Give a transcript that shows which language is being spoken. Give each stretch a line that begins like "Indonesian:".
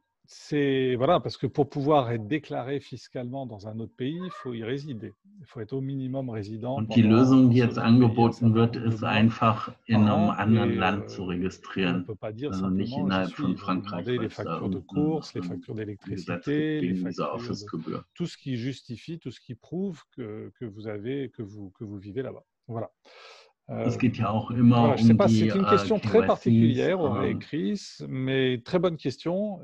French: C'est voilà, parce que pour pouvoir être déclaré fiscalement dans un autre pays, il faut y résider. Il faut être au minimum résident.
German: Und die Lösung, die jetzt angeboten wird, ist einfach in einem anderen Land zu registrieren. Also nicht innerhalb von Frankreich.
French: Les factures de course, les factures d'électricité, tout ce qui justifie, tout ce qui prouve que vous vivez là-bas. Voilà. C'est une question très particulière, aurait écrit, mais très bonne question.